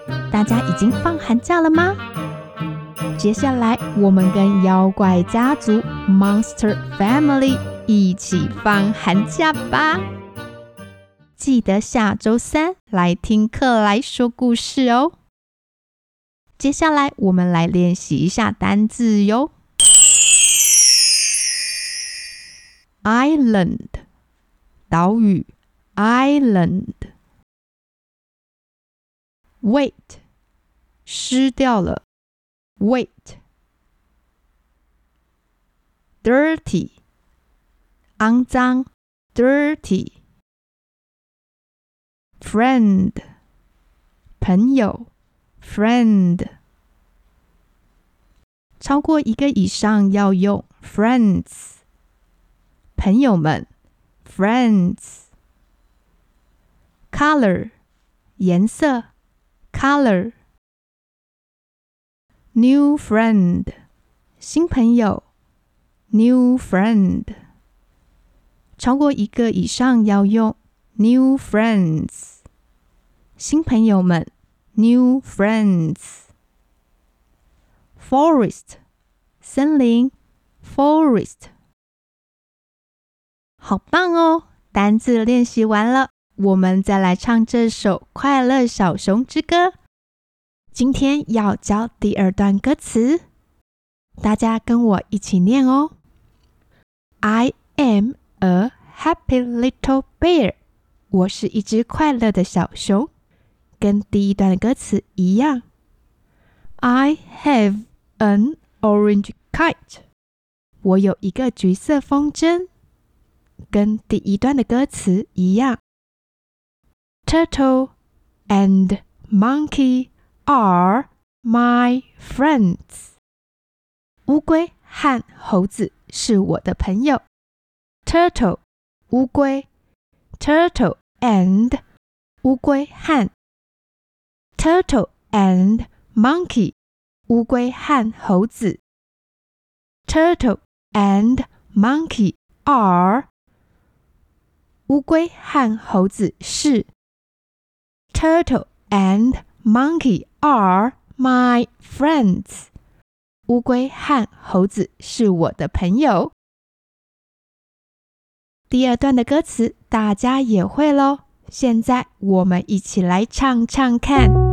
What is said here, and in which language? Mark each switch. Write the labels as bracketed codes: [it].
[zh] 大家已经放寒假了吗？接下来我们跟妖怪家族 Monster Family 一起放寒假吧。记得下周三来听克莱说故事哦。接下来我们来练习一下单字哟。 [en] Island [zh] 岛屿 [en] Island。 Wait [zh] 湿掉了 [en] Wait。 Dirty [zh] 肮脏 [en] Dirty。 Friend [zh] 朋友 [en] Friend。 [zh] 超过一个以上要用 friends， 朋友们 friends。 [en] color [zh] 颜色 [en] color。 new friend [zh] 新朋友 [en] new friend。 [zh] 超过一个以上要用 [en] new friends， [zh] 新朋友们 new friends。 [en] Forest [zh] 森林 [en] Forest。 [zh] 好棒哦，单字练习完了，我们再来唱这首快乐小熊之歌。今天要教第二段歌词，大家跟我一起念哦。 [en] I am a happy little bear， [zh] 我是一只快乐的小熊，跟第一段歌词一样。 [en] I haveAn orange kite， [zh] 我有一个橘色风筝，跟第一段的歌词一样。 [en] Turtle and monkey are my friends， [zh] 乌龟和猴子是我的朋友。 [en] Turtle [zh] 乌龟， [en] Turtle and [zh] 乌龟和， [en] Turtle and monkey [zh] 乌龟和猴子。 [en] Turtle and monkey are， [zh] 乌龟和猴子是。 [en] Turtle and monkey are my friends， [zh] 乌龟和猴子是我的朋友。第二段的歌词大家也会咯，现在我们一起来唱唱看。